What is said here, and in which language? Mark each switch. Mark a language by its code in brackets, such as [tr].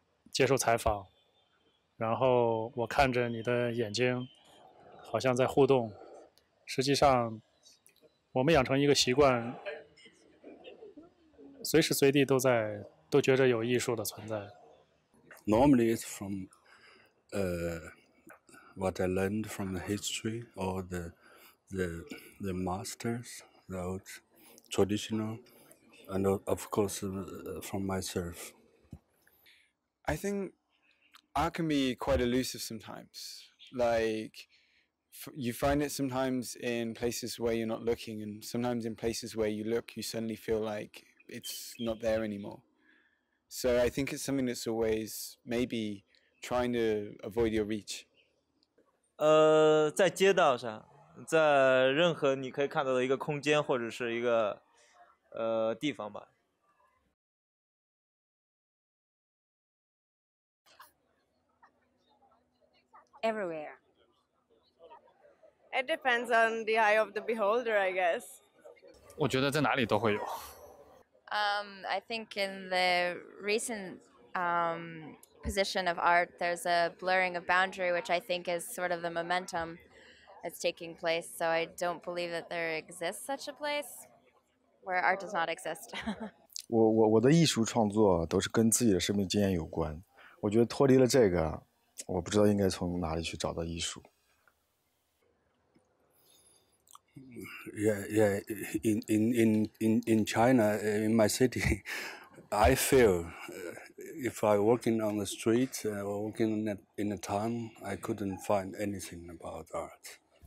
[zh] 接受采访，然后我看着你的眼睛好像在互动，实际上我们养成一个习惯，随时随地都在都觉着有艺术的存在。 [en] Normally it's from what I learned from the history or the masters, the old traditional, and of course from myself. I think art can be quite elusive sometimes. Like you find it sometimes in places where you're not looking, and sometimes in places where you look, you suddenly feel like it's not there anymore. So I think it's something that's always maybe trying to avoid your reach. [zh] 在街道上，在任何你可以看到的一个空间或者是一个地方吧。 [en] Everywhere. It depends on the eye of the beholder, I guess. [zh] 我觉得在哪里都会有。 [en] I think in the recent position of art, there's a blurring of boundary, which I think is sort of the momentum that's taking place. So I don't believe that there exists such a place where art does not exist. [zh] 我的艺术创作都是跟自己的生命经验有关，我觉得脱离了这个，我不知道应该从哪里去找到艺术。 [en] Yeah, yeah. In China, in my city, I feel if I working on the street or working in a town, I couldn't find anything about art.